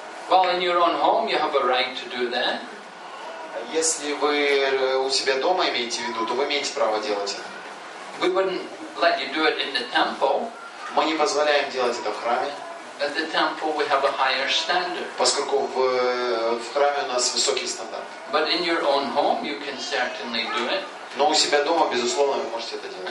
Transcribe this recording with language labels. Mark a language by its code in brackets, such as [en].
[en] Well, in your own home, you have a right to do that. [ru] Если вы у себя дома имеете в виду, то вы имеете право делать это. [en] We wouldn't let you do it in the temple. [ru] Мы не позволяем делать это в храме. [en] At the temple we have a higher standard. [ru] Поскольку в храме у нас высокий стандарт. [en] But in your own home you can certainly do it. [ru] Но у себя дома, безусловно, вы можете это делать.